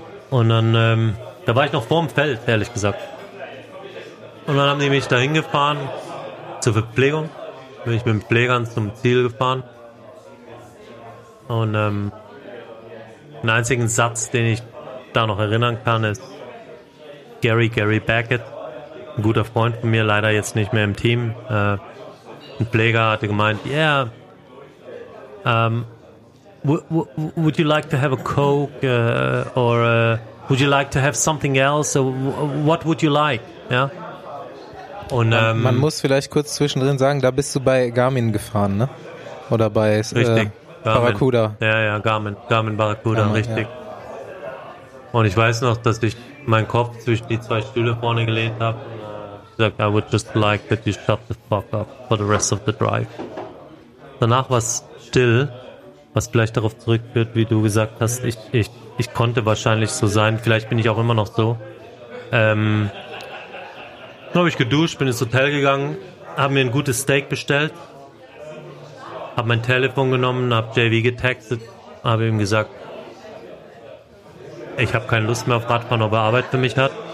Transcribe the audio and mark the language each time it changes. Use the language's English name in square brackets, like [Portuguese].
[German] Und dann, da war ich noch vor dem Feld, ehrlich gesagt. Und dann haben die mich dahin gefahren zur Verpflegung. Bin ich mit den Pflegern zum Ziel gefahren. Und den einzigen Satz, den ich da noch erinnern kann, ist Gary Beckett, ein guter Freund von mir, leider jetzt nicht mehr im Team. Ein Pfleger hatte gemeint, [English] yeah, would you like to have a Coke or would you like to have something else? So what would you like? Ja. [German] Und man muss vielleicht kurz zwischendrin sagen, da bist du bei Garmin gefahren, ne? Oder bei richtig. Garmin. Barracuda. Ja, Garmin Barracuda, richtig. Ja. Und ich weiß noch, dass ich meinen Kopf zwischen die zwei Stühle vorne gelehnt habe. Ich sagte, [English] I would just like that you shut the fuck up for the rest of the drive. [German] Danach war es still, was vielleicht darauf zurückführt, wie du gesagt hast, ich konnte wahrscheinlich so sein, vielleicht bin ich auch immer noch so. Dann habe ich geduscht, bin ins Hotel gegangen, habe mir ein gutes Steak bestellt, habe mein Telefon genommen, habe JV getextet, habe ihm gesagt, ich habe keine Lust mehr auf Radfahren, ob er Arbeit für mich hat.